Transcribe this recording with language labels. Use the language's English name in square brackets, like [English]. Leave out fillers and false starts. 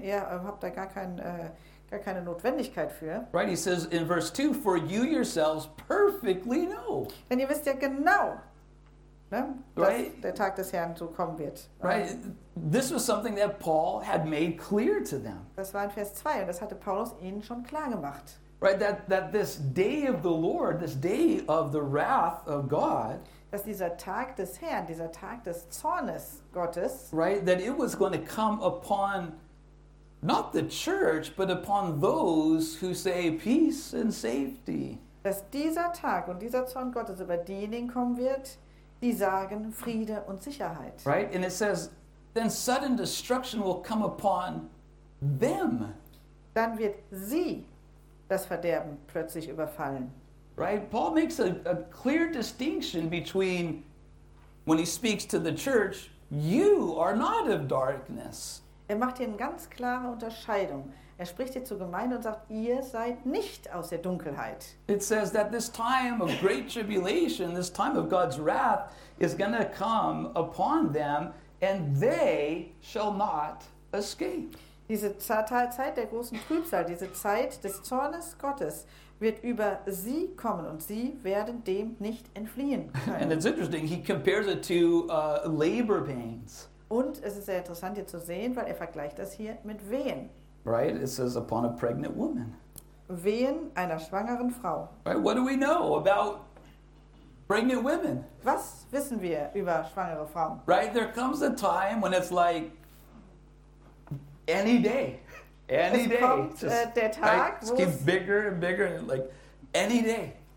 [German] Ihr habt da gar keine Notwendigkeit für. [English] Right, he says in verse 2, for you yourselves perfectly know. [German] Denn ihr wisst ja genau, dass [English] right, [German] der Tag des Herrn so kommen wird. [English] Right, this was something that Paul had made clear to them. [German] Das war in Vers 2 und das hatte Paulus ihnen schon klar gemacht. [English] Right, that this day of the Lord, this day of the wrath of God, [German] dass dieser Tag des Herrn, dieser Tag des Zornes Gottes, [English] right, that it was going to come upon not the church, but upon those who say peace and safety. [German] Dass dieser Tag und dieser Zorn Gottes über diejenigen kommen wird, die sagen Friede und Sicherheit. [English] Right, and it says, then sudden destruction will come upon them. [German] Dann wird sie das Verderben plötzlich überfallen. [English] Right, Paul makes a clear distinction between when he speaks to the church, you are not of darkness. [German] Er macht hier eine ganz klare Unterscheidung. Er spricht hier zur Gemeinde und sagt, ihr seid nicht aus der Dunkelheit. [English] It says that this time of great tribulation, this time of God's wrath is going to come upon them and they shall not escape. [German] Diese Zeit der großen Trübsal, diese Zeit des Zornes Gottes wird über sie kommen und sie werden dem nicht entfliehen können. [English] And it's interesting, he compares it to labor pains. [German] Und es ist sehr interessant hier zu sehen, weil er vergleicht das hier mit Wehen. [English] Right, it says upon a pregnant woman. [German] Wehen einer schwangeren Frau. [English] Right, what do we know about pregnant women? [German] Was wissen wir über schwangere Frauen? [English] Right, there comes a time when it's like any day. [German] Es kommt der Tag, right, [English] it gets bigger and bigger, like any day.